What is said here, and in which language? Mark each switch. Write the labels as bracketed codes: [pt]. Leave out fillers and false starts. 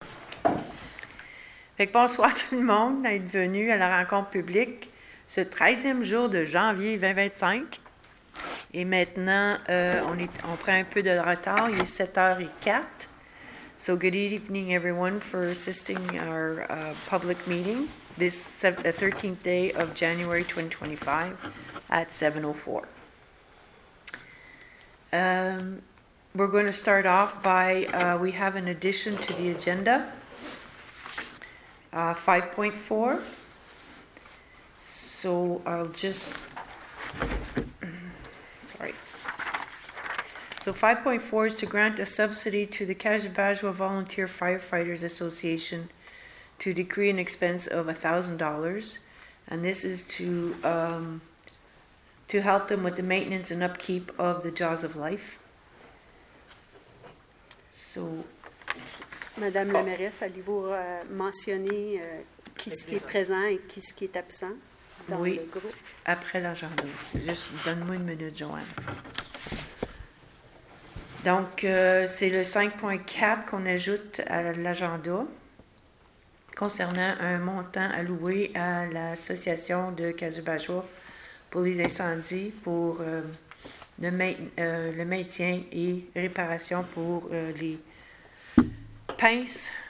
[fr] Fait que bonsoir tout le monde d'être venu à la rencontre publique ce 13e jour de janvier 2025. Et maintenant, on prend un peu de retard, il est 7h04. [en] So good evening everyone for assisting our public meeting this 13th day of January 2025 at 7:04. We're going to start off by, we have an addition to the agenda. 5.4. So I'll just sorry. So 5.4 is to grant a subsidy to the Kashubashwa Volunteer Firefighters Association to decree an expense of $1,000, and this is to help them with the maintenance and upkeep of the Jaws of Life. So. [fr] Madame la mairesse, allez-vous mentionner qu'est-ce qui est présent et qu'est-ce qui est absent dans oui, le groupe? Oui, après l'agenda. Juste, donne-moi une minute, Joanne. Donc, c'est le 5.4 qu'on ajoute à l'agenda concernant un montant alloué à l'association de Kashubashwa pour les incendies, pour le maintien et réparation pour les pince.